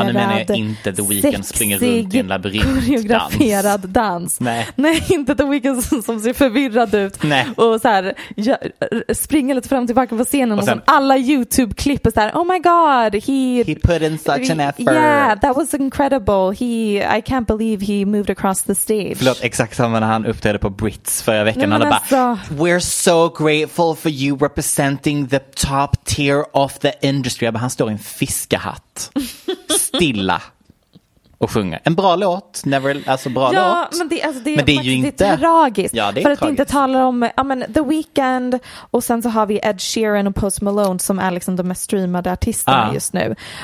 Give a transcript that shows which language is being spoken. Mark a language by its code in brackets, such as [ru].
[sv] ja, nu menar jag inte The Weeknd springer runt i en labyrint koreograferad dans. Nej, inte The Weeknd som ser förvirrad ut. Nej. Och så här springer lite fram och tillbaka på scenen och sen alla YouTube-klipp är så här, [en] oh my god, he put in such an effort. Yeah, that was incredible. I can't believe he moved across the stage. [sv] Förlåt, exakt samma när han uppträdde på Brits förra veckan. Nej, alltså, bara, [en] we're so grateful for you representing the top tier of the industry. [sv] Jag bara, han står i en fiskehatt stilla och sjunger en bra låt, never, alltså bra, ja, låt. Men det, alltså det, men det är faktiskt, ju inte, det är tragiskt, ja, det är tragiskt. Att inte tala om, ja, men The Weeknd, och sen så har vi Ed Sheeran och Post Malone som är liksom de mest streamade artisterna just nu.